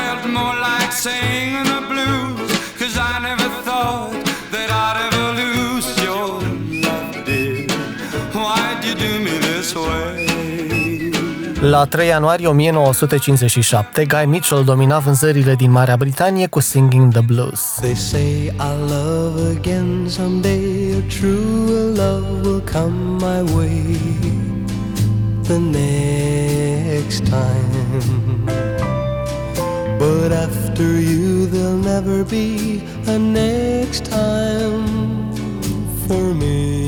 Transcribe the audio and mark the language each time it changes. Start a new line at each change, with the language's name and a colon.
English: more like singing the blues, 'cause I never thought that I'd ever lose your love, dear. Why'd you do me this way?
Romanian: La 3 ianuarie 1957, Guy Mitchell domina vânzările din Marea Britanie cu Singing the Blues.
English: They say I'll love again someday, a true love will come my way the next time. But after you there'll never be a next time for me.